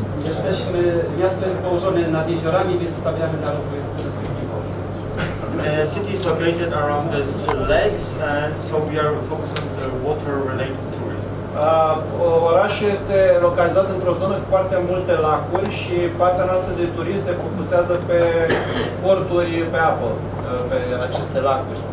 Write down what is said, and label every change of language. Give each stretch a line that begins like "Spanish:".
Polish: Jesteśmy, miasto jest położone nad jeziorami, więc stawiamy na rozwój turystyki.
English: The city is located around the lakes and so we are focused on the water related tourism.
Romanian: Orașul este localizat într-o zonă cu foarte multe lacuri și partea noastră de turism se focusează pe sporturi pe apă, pe aceste lacuri.